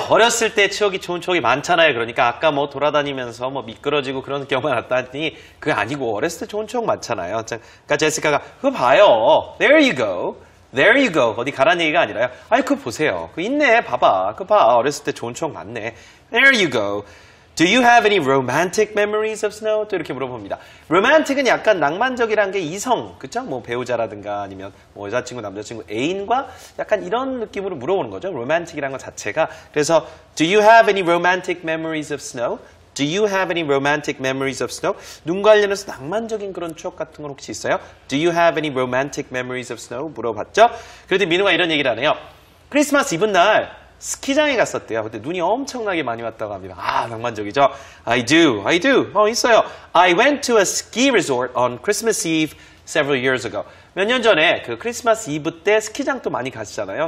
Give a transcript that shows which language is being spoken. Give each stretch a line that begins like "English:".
Korean: 어렸을 때 추억이 좋은 추억이 많잖아요. 그러니까 아까 뭐 돌아다니면서 뭐 미끄러지고 그런 경험을 났다니 그게 아니고 어렸을 때 좋은 추억 많잖아요. 그러니까 제시카가 그거 봐요.
English: There you go. There you go.
Korean: 어디 가란 얘기가 아니라요. 아이, 그거 보세요. 그거 있네. 봐봐. 그거 봐. 어렸을 때 좋은 추억 많네.
English: There you go. Do you have any romantic memories of snow?
Korean: 또 이렇게 물어봅니다. Romantic은 약간 낭만적이란 게 이성, 그쵸? 뭐 배우자라든가 아니면 뭐 여자친구, 남자친구, 애인과 약간 이런 느낌으로 물어보는 거죠. Romantic이란 것 자체가. 그래서
English: Do you have any romantic memories of snow? Do you have any romantic memories of snow?
Korean: 눈 관련해서 낭만적인 그런 추억 같은 건 혹시 있어요?
English: Do you have any romantic memories of snow?
Korean: 물어봤죠? 그런데 민우가 이런 얘기를 하네요. 크리스마스 이브 날 스키장에 갔었대요. 그때 눈이 엄청나게 많이 왔다고 합니다. 아, 낭만적이죠?
English: I do.
Korean: 어, 있어요.
English: I went to a ski resort on Christmas Eve several years ago.
Korean: 몇 년 전에 그 크리스마스 이브 때 스키장도 많이 가시잖아요.